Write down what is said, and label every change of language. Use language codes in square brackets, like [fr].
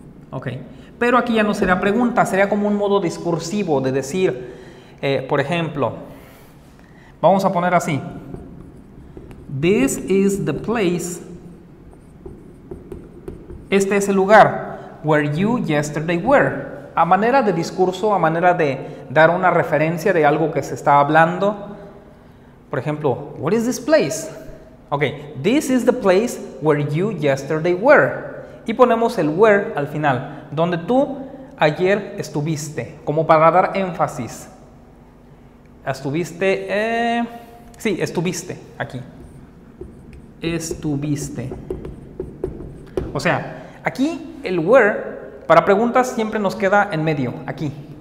[es] Ok, pero aquí ya no sería pregunta, sería como un modo discursivo de decir, por ejemplo, vamos a poner así, [en] this is the place, [es] este es el lugar, [en] where you yesterday were. [es] A manera de discurso, a manera de dar una referencia de algo que se está hablando. Por ejemplo, [en] what is this place? Ok, this is the place where you yesterday were. [es] Y ponemos el where al final, donde tú ayer estuviste, como para dar énfasis. Estuviste, sí, estuviste aquí. Estuviste. O sea, aquí el where, para preguntas siempre nos queda en medio, aquí.